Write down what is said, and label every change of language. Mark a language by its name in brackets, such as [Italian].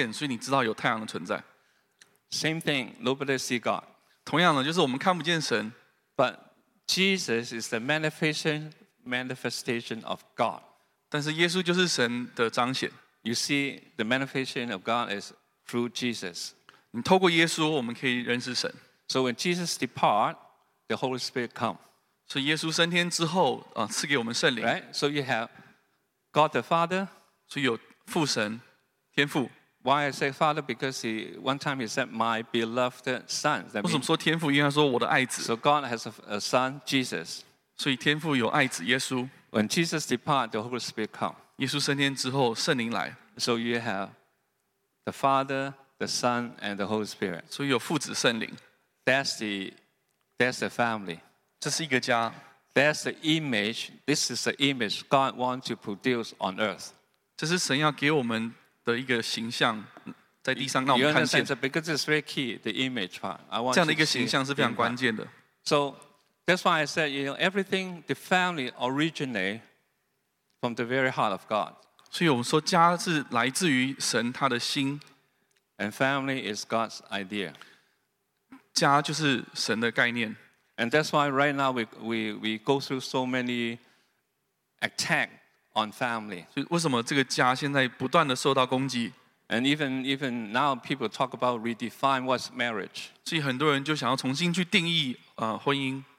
[Chinese] 因为你感受到太阳的温暖，你感受到这些光线，所以你知道有太阳的存在。 [English] Same thing. Nobody see God. [Chinese] 同样的，就是我们看不见神。 [English] But Jesus is the manifestation of God. [Chinese] 但是耶稣就是神的彰显。 [English] You see, the manifestation of God is through Jesus. [Chinese] 你透过耶稣，我们可以认识神。 [English] So when Jesus depart, the Holy Spirit come. [Chinese] 所以耶稣升天之后, 赐给我们圣灵。 [English] Right? So you have God the Father. [Chinese] 所以有父神，天父。 [English] Why I say Father? Because one time he said, my beloved Son. [Chinese] 为什么说天父?因为他说我的爱子。 [English] So God has a Son, Jesus. [Chinese] 所以天父有爱子耶稣。 [English] When Jesus depart, the Holy Spirit come. [Chinese] 耶稣升天之后，圣灵来。 [English] So you have the Father, the Son, and the Holy Spirit. [Chinese] 所以有父子圣灵。 [English] That's the family. [Chinese] 这是一个家。 [English] That's the image. This is the image God wants to produce on earth. [Chinese] 这是神要给我们的一个形象，在地上让我们看见。 [English] Because it's very key, the image part. I want [Chinese] 这样的一个形象是非常关键的。 [English] So. That's why I said, you know, everything, the family originate from the very heart of God. [Chinese] 所以我们说家是来自于神他的心。 [English] And family is God's idea. [Chinese] 家就是神的概念。 [English] And that's why right now we go through so many attacks on family. [Chinese] 所以为什么这个家现在不断地受到攻击。 [English] And even now people talk about redefine what's marriage. [Chinese] 所以很多人就想要重新去定义 婚姻。